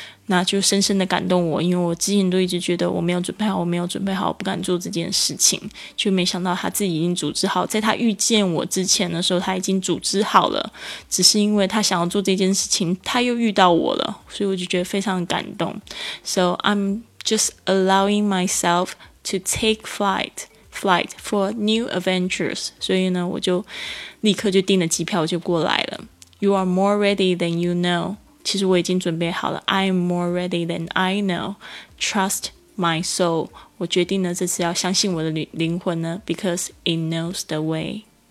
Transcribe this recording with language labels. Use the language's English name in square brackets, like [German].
[Chinese] 那就深深的感动我，因为我之前都一直觉得我没有准备好，我不敢做这件事情，就没想到他自己已经组织好，在他遇见我之前的时候他已经组织好了，只是因为他想要做这件事情他又遇到我了，所以我就觉得非常感动。 [English] So I'm just allowing myself to take flight for new adventures. [Chinese] 所以呢我就立刻就订了机票就过来了。 [English] You are more ready than you know. [Chinese] 其实我已经准备好了。 [English] I'm more ready than I know. Trust my soul. [Chinese] 我决定呢这次要相信我的灵魂呢， [English] because it knows the way.